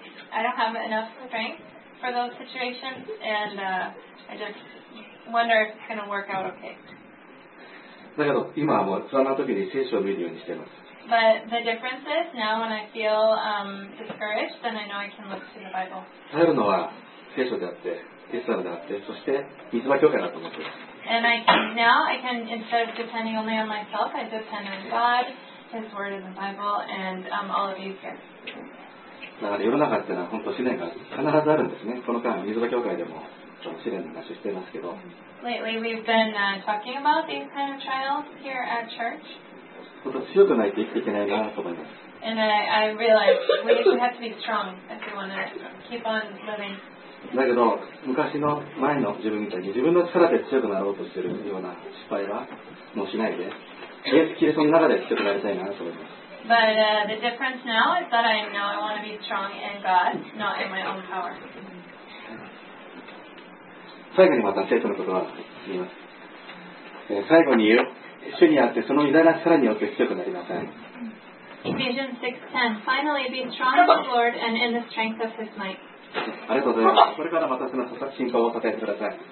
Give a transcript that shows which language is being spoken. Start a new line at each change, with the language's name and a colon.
English: I don't have enough strength for those situations, and I just wonder if it's going to work out okay.
Japanese: だけど今はもう不安な時に聖書を見るようにしています。
English: But the difference is now when I feel discouraged, then I know I can look to the Bible.
Japanese: 頼るのは聖書であって、イエス様であって、そして御霊教会だと思って。
English: And I can instead of depending only on myself, I depend on God, His Word in the Bible, and all of these gifts.
Japanese: だから世の中ってのは本当試練が必ずあるんですね。この間御霊教会でも試練の話してますけど。
English: Lately we've been talking about these kind of trials here at church.
Japanese: 本当に強くないと生きていけないなと思います。
English: I realized we have to be strong if we want to keep on living.
Japanese: だけど昔の前の自分みたいに自分の力で強くなろうとしているような失敗はもうしないで、イエス・キリストの中で強くなりたいなと思います。
English: But the difference now is that I know I want to be strong in God, not in my own power.
Japanese: 最後にまた聖書の言葉を言います。最後に言う。主にあってその偉大な力によって強くなりません。
English: Ephesians 6:10 Finally be strong in the Lord and in the strength of his might.
Japanese: ありがとうございます。これからまたその信仰を支えてください。